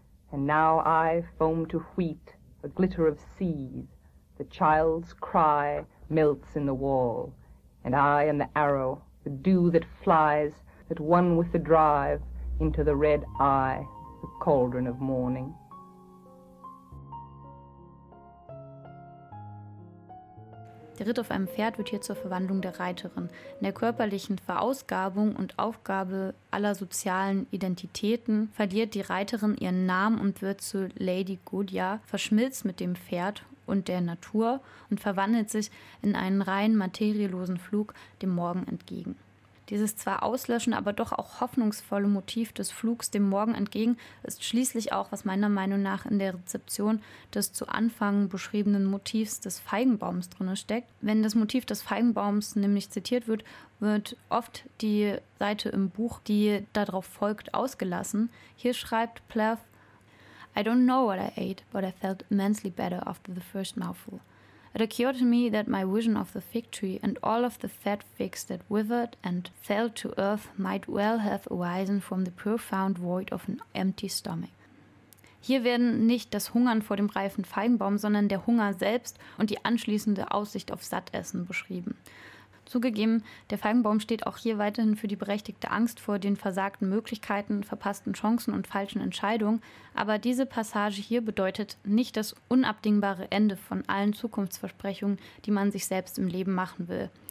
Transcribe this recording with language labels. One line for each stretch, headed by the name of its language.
English: And now I foam to wheat, a glitter of seas. The child's cry melts in the wall. and I am the arrow, the dew that flies, that one with the drive into the red eye, the cauldron of morning.
German: Der Ritt auf einem Pferd wird hier zur Verwandlung der Reiterin, in der körperlichen Verausgabung und Aufgabe aller sozialen Identitäten verliert die Reiterin ihren Namen und wird zu Lady Goodia, verschmilzt mit dem Pferd und der Natur und verwandelt sich in einen rein materiellosen Flug dem Morgen entgegen. Dieses zwar auslöschende, aber doch auch hoffnungsvolle Motiv des Flugs dem Morgen entgegen ist schließlich auch, was meiner Meinung nach in der Rezeption des zu Anfang beschriebenen Motivs des Feigenbaums drin steckt. Wenn das Motiv des Feigenbaums nämlich zitiert wird, wird oft die Seite im Buch, die darauf folgt, ausgelassen. Hier schreibt Plath:
English: I don't know what I ate, but I felt immensely better after the first mouthful. It occurred to me that my vision of the fig tree and all of the fat figs that withered and fell to earth might well have arisen from the profound void of an empty stomach.
German: Hier werden nicht das Hungern vor dem reifen Feigenbaum, sondern der Hunger selbst und die anschließende Aussicht auf Sattessen beschrieben. Zugegeben, der Feigenbaum steht auch hier weiterhin für die berechtigte Angst vor den versagten Möglichkeiten, verpassten Chancen und falschen Entscheidungen, aber diese Passage hier bedeutet nicht das unabdingbare Ende von allen Zukunftsversprechungen, die man sich selbst im Leben machen will.